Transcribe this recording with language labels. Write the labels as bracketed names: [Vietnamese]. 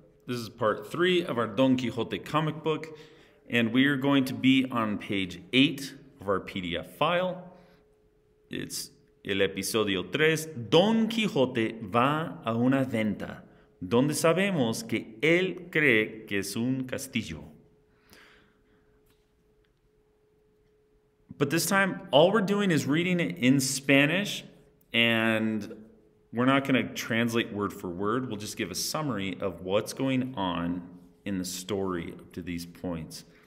[English] This is part three of our Don Quixote comic book, and we are going to be on page 8 of our PDF file. [Spanish] It's el episodio 3. Don Quixote va a una venta, donde sabemos que él cree que es un castillo. [English] But this time, all we're doing is reading it in Spanish, and we're not going to translate word for word. We'll just give a summary of what's going on in the story up to these points.